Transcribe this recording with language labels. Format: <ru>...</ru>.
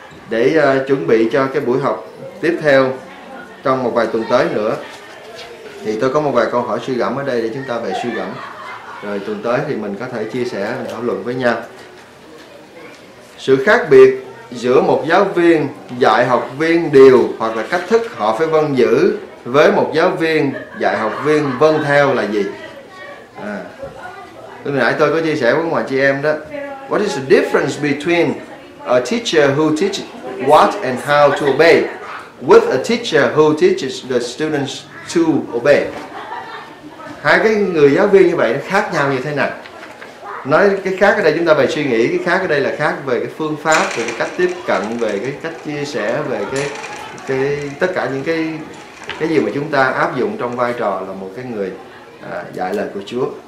<vi>Để chuẩn bị cho cái buổi học tiếp theo trong một vài tuần tới nữa, thì tôi có một vài câu hỏi suy gẫm ở đây để chúng ta về suy gẫm, rồi tuần tới thì mình có thể chia sẻ, mình thảo luận với nhau. Sự khác biệt giữa một giáo viên dạy học viên điều hoặc là cách thức họ phải vâng giữ với một giáo viên dạy học viên vâng theo là gì? Lúc nãy tôi có chia sẻ với ngoài chị em đó,</vi> <en>what is the difference between a teacher who teaches what and how to obey with a teacher who teaches the students to obey?</en> <vi>Hai cái người giáo viên như vậy nó khác nhau như thế nào? Nói cái khác ở đây chúng ta phải suy nghĩ, cái khác ở đây là khác về cái phương pháp, về cái cách tiếp cận, về cái cách chia sẻ, về cái tất cả những cái gì mà chúng ta áp dụng trong vai trò là một cái người dạy lời của Chúa.</vi>